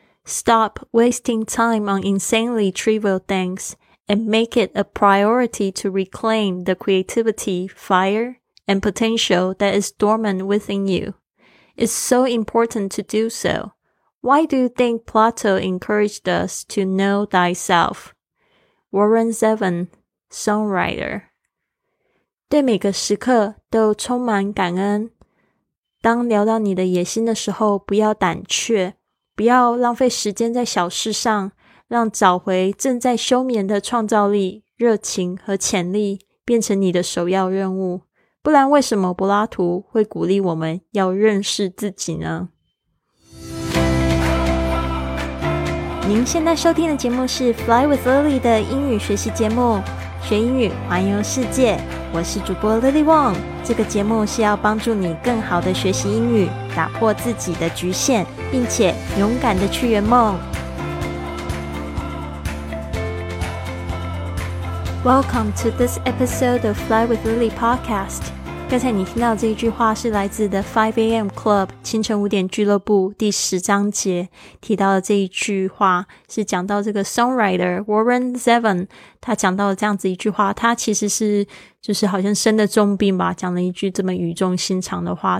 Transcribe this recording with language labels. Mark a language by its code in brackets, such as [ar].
[en] Stop wasting time on insanely trivial things and make it a priority to reclaim the creativity, fire, and potential that is dormant within you. It's so important to do so. Why do you think Plato encouraged us to know thyself? Warren Zevon, songwriter. [zh] 对每个时刻都充满感恩。当聊到你的野心的时候，不要胆怯，不要浪费时间在小事上，让找回正在休眠的创造力、热情和潜力变成你的首要任务。不然为什么柏拉图会鼓励我们要认识自己呢？您现在收听的节目是 Fly with Lily 的英语学习节目，学英语环游世界，我是主播 Lily Wong。这个节目是要帮助你更好的学习英语，打破自己的局限，并且勇敢的去圆梦。 [en] Welcome to this episode of Fly with Lily podcast。 [zh] 刚才你听到这句话是来自 The 5AM Club 清晨五点俱乐部第十章节提到的，这一句话是讲到这个 songwriter Warren Zevon， 他讲到了这样子一句话，他其实是就是好像生的重病吧，讲了一句这么语重心长的话。